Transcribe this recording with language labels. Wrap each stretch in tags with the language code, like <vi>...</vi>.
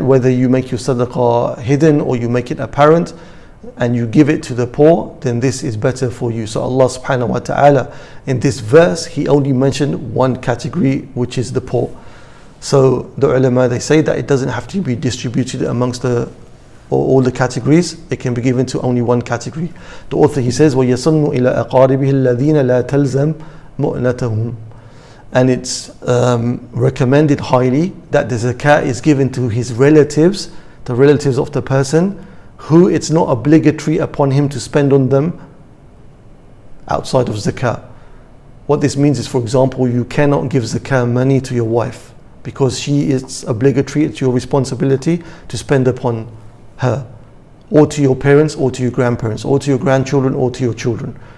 <en>Whether you make your sadaqah hidden or you make it apparent and you give it to the poor, then this is better for you. So Allah subhanahu wa ta'ala, in this verse, He only mentioned one category, which is the poor. So the ulama, they say that it doesn't have to be distributed amongst the all the categories, it can be given to only one category. The author, he says,</en> <ar>وَيَصَنُّ إِلَىٰ أَقَارِبِهِ الَّذِينَ لَا تَلْزَمْ مُؤْنَتَهُمْ.</ar> <en>And it's recommended highly that the zakat is given to his relatives, the relatives of the person, who it's not obligatory upon him to spend on them outside of zakat. What this means is, for example, you cannot give zakat money to your wife because she is obligatory, it's your responsibility to spend upon her, or to your parents, or to your grandparents, or to your grandchildren, or to your children.</en>